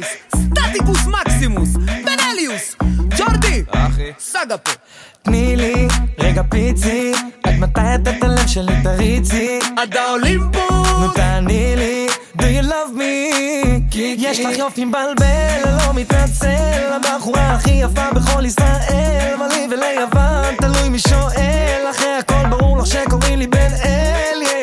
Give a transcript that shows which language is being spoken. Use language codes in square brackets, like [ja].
[he] סטטיקוס מקסימוס, בנליוס, ג'ורדי, סגה פה. תני לי רגע פיצי, עד מתי אתה את הלב שלי תריצי? עד האולימפוס. נו תעני לי, [en] do you love me? [he] יש לך יופי מבלבל, לא מתנצל, הבחורה הכי יפה בכל ישראל. מלי וליוון, תלוי מי שואל, אחרי הכל ברור לך שקוראים לי בן אל.